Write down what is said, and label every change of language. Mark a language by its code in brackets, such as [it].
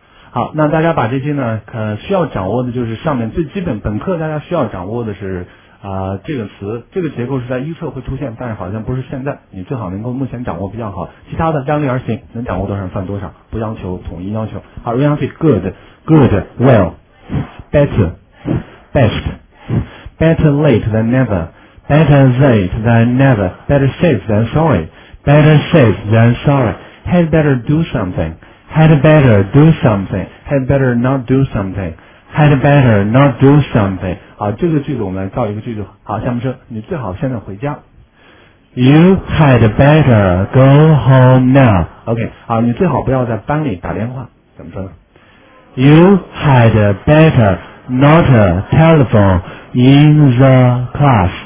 [zh] 好，那大家把这些呢需要掌握的就是上面最基本本课大家需要掌握的是这个词，这个结构是在预测会出现，但是好像不是现在，你最好能够目前掌握比较好，其他的量力而行，能掌握多少算多少，不要求统一要求。 [en] 好， Reality good good well better best better late than never better late than never better safe than sorry better safe than sorry had better do somethingHad better do something. Had better not do something. Had better not do something. [zh] 好，这个句子我们来造一个句子。好，下面说，你最好现在回家。 [en] You had better go home now. [zh] OK， 好，你最好不要在班里打电话。怎么说呢 [en] ？You had better not telephone in the class.